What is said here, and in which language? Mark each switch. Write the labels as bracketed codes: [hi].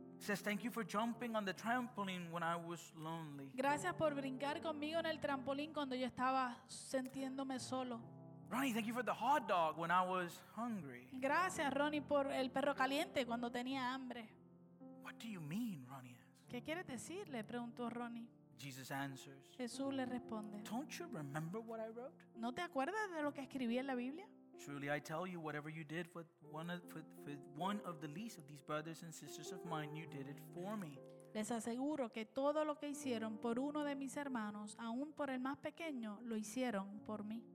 [en] Says thank you for jumping on the trampoline when I was lonely. [es] Gracias por brincar conmigo en el trampolín cuando yo estaba sintiéndome solo. [en] Ronnie, thank you for the hot dog when I was hungry. [es] Gracias, Ronnie, por el perro caliente cuando tenía hambre. [en] What do you mean, Ronnie asks. [es] ¿Qué quieres decir? Le preguntó Ronnie. [en] Jesus answers. [es] Jesús le responde. [en] Don't you remember what I wrote? [es] ¿No te acuerdas de lo que escribí en la Biblia? [en] Truly, I tell you, whatever you did for one of the least of these brothers and sisters of mine, you did it for me. [es] Les aseguro que todo lo que hicieron por uno de mis hermanos, aun por el más pequeño, lo hicieron por mí.